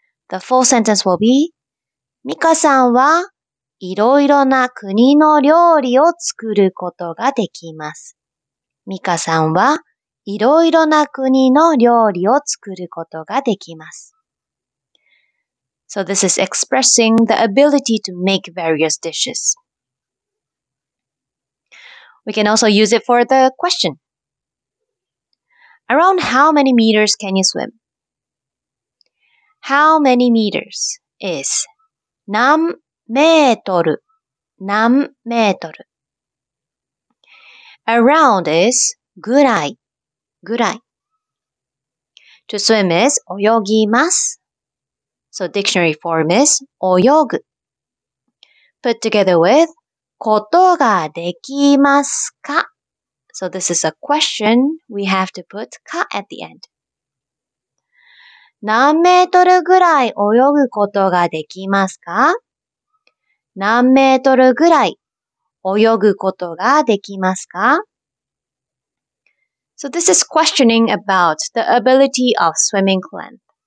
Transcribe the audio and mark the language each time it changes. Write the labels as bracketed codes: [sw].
[en] The full sentence will be [ja] ミカさんはいろいろな国の料理を作ることができます。ミカさんはいろいろな国の料理を作ることができます。 [en] So this is expressing the ability to make various dishes. We can also use it for the question. Around how many meters can you swim? How many meters is [ja] 何メートル何メートル [en] Around is ぐらい To swim is [ja] 泳ぎます [en] So dictionary form is [ja] 泳ぐ [en] Put together with [ja] ことができますか [en] So this is a question we have to put かat the end [ja] 何メートルぐらい泳ぐことができますか何メートルぐらい泳ぐことができますか [en] So this is questioning about the ability of swimming length.